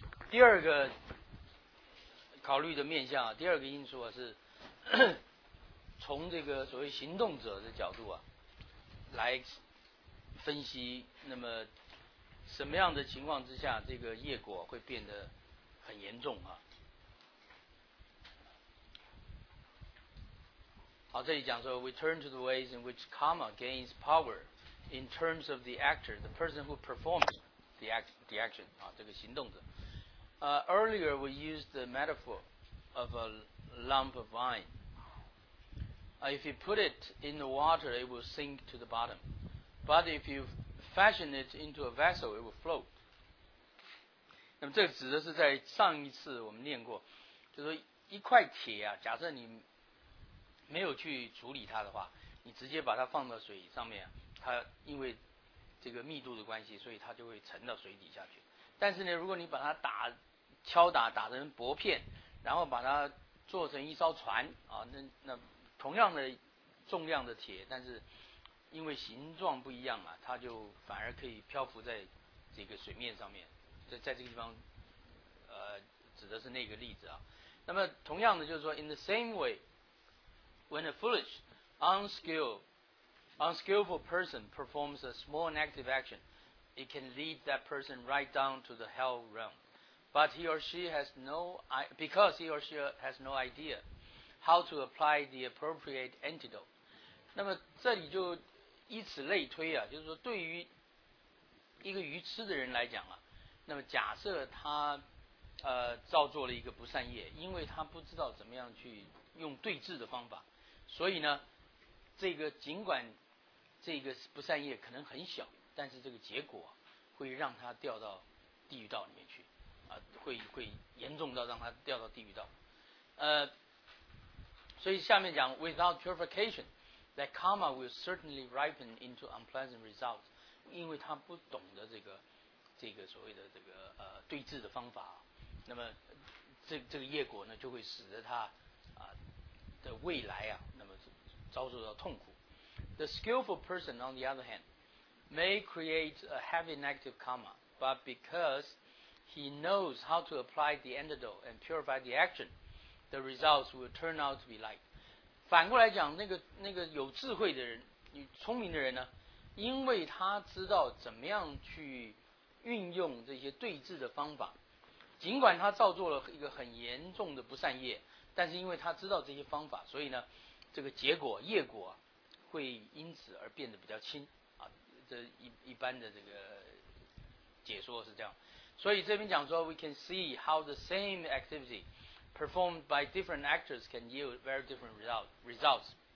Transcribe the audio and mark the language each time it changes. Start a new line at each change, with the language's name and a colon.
Chinese: 第二个考虑的面向啊，第二个因素啊，是从这个所谓行动者的角度啊来分析，那么什么样的情况之下这个业果会变得很严重啊。好，这里讲说
English: we turn to the ways in which karma gains power in terms of the actor, the person who performs the action
Chinese: 啊，这个行动者。
English: Earlier, we used the metaphor of a lump of iron. If you put it in the water, it will sink to the bottom. But if you fashion it into a vessel, it will float.
Chinese: 那么这个指的是在上一次我们念过，就是一块铁啊，假设你没有去处理它的话，你直接把它放到水上面，它因为这个密度的关系，所以它就会沉到水底下去。但是呢，如果你把它打敲打打成薄片，然后把它做成一艘船啊，那同样的重量的铁，但是因为形状不一样啊，它就反而可以漂浮在这个水面上面。在这个地方，指的是那个例子啊。那么同样的，就是说
English: ，in the same way, when a foolish, unskillful person performs a small negative action, it can lead that person right down to the hell realm. But he or she has no idea how to apply the appropriate antidote.
Chinese: 那么这里就以此类推啊，就是说对于一个愚痴的人来讲啊，那么假设他造作了一个不善业，因为他不知道怎么样去用对治的方法，所以呢，这个尽管这个不善业可能很小，但是这个结果会让他掉到地狱道里面去。会严重到让他掉到地狱道，所以下面讲 ，
English: without purification, that karma will certainly ripen into unpleasant results，
Chinese: 因为他不懂得这个所谓的这个对治的方法，那么这个业果呢，就会使得他的未来啊，那么遭受到痛苦。
English: The skillful person, on the other hand, may create a heavy negative karma, but because he knows how to apply the antidote and purify the action, the results will turn out to be light.
Chinese: 反过来讲，那个有智慧的人，聪明的人呢，因为他知道怎么样去运用这些对治的方法，尽管他造作了一个很严重的不善业，但是因为他知道这些方法，所以呢，这个结果业果会因此而变得比较轻啊。这一般的这个解说是这样。所以这边讲说
English: we can see how the same activity performed by different actors can yield very different results.